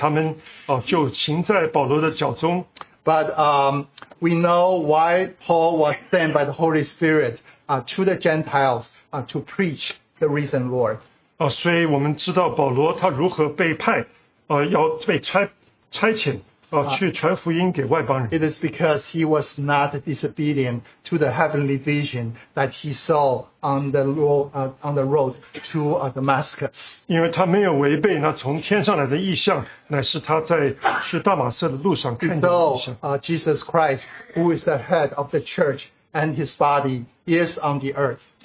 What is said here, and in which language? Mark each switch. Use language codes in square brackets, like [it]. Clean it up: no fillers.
[zh] 我们当中有一些弟兄姐妹，他们就行在保罗的脚中。 [en] But we know why Paul was sent by the Holy Spirit to the Gentiles to preach the risen Lord. [zh] 所以我们知道保罗他如何被派，要被差遣去传福音给外邦人。 [en] It is because he was not disobedient to the heavenly vision that he saw on the road to Damascus. [zh] 因为他没有违背那从天上来的异象，乃是他在去大马色的路上看见的异象。 [en] Jesus Christ, who is the head of the church and his body, is on the earth.